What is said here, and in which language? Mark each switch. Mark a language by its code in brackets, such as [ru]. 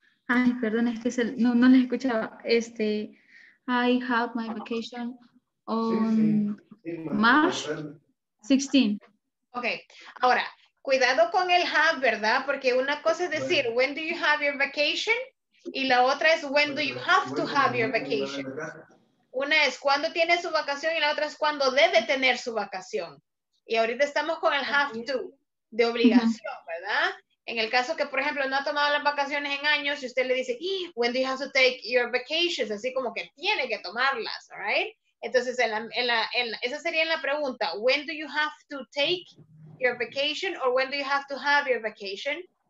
[es] Ay, perdón, no les escuchaba. [en] I have my vacation on March 16. [es] Okay, ahora. Cuidado con el have, ¿verdad? Porque una cosa es decir, [en] when do you have your vacation? [es] Y la otra es, [en] when do you have to have your vacation? [es] Una es, ¿cuándo tiene su vacación? Y la otra es, ¿cuándo debe tener su vacación? Y ahorita estamos con el have to, de obligación, ¿verdad? En el caso que, por ejemplo, no ha tomado las vacaciones en años, y usted le dice, [en] when do you have to take your vacations? [es] Así como que tiene que tomarlas, [en] all right? [es] Entonces, esa sería la pregunta, [en] when do you have to take your vacation, or when do you have to have your vacation?